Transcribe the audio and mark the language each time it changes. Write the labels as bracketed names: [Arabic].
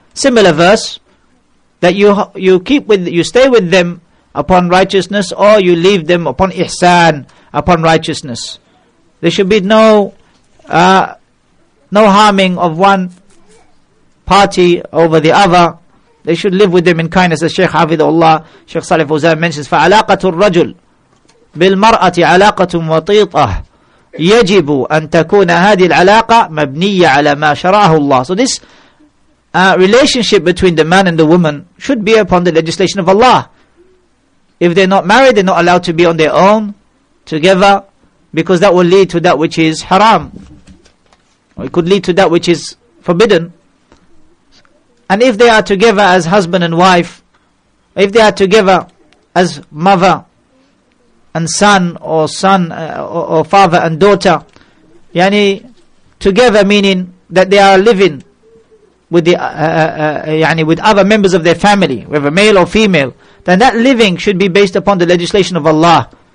[English] Similar verse, that you stay with them upon righteousness, or you leave them upon ihsan, upon righteousness. There should be no harming of one party over the other. They should live with them in kindness. As Shaykh Hafidhullah, Shaykh Salih Fawzan mentions, [Arabic] فَعَلَاقَةُ الرَّجُلِ بالمرأة علاقة وطيطة يجب أن تكون هذه العلاقة مبنية على ما شرعه الله. [English] So this relationship between the man and the woman should be upon the legislation of Allah. If they're not married, they're not allowed to be on their own together, because that will lead to that which is haram. Or it could lead to that which is forbidden. And if they are together as husband and wife, if they are together as mother and son or father and daughter, yani together meaning that they are living with the yani with other members of their family, whether male or female, then that living should be based upon the legislation of Allah.